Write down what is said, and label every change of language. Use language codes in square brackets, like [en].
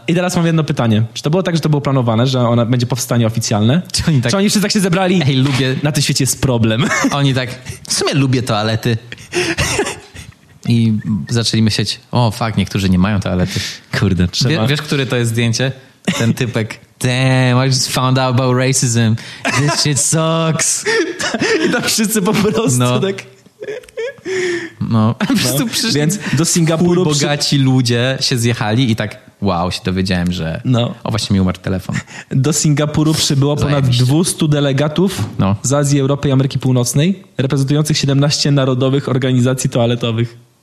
[pl] I teraz mam jedno pytanie. Czy to było tak, że to było planowane, że ona będzie powstanie oficjalne? Czy oni wszyscy tak się zebrali? Ej, lubię. Na tym świecie jest problem. Oni tak, w sumie lubię toalety. I zaczęli myśleć, o fuck, niektórzy nie mają toalety. Kurde, trzeba. Wiesz, które to jest zdjęcie? Ten typek. [en] Damn, I just found out about racism. This shit sucks. [pl] I tam wszyscy po prostu tak... No. Więc do Singapuru bogaci ludzie się zjechali i tak wow, się dowiedziałem, że właśnie mi umarł telefon. Do Singapuru przybyło ponad 200 delegatów z Azji, Europy i Ameryki Północnej reprezentujących 17 narodowych organizacji toaletowych.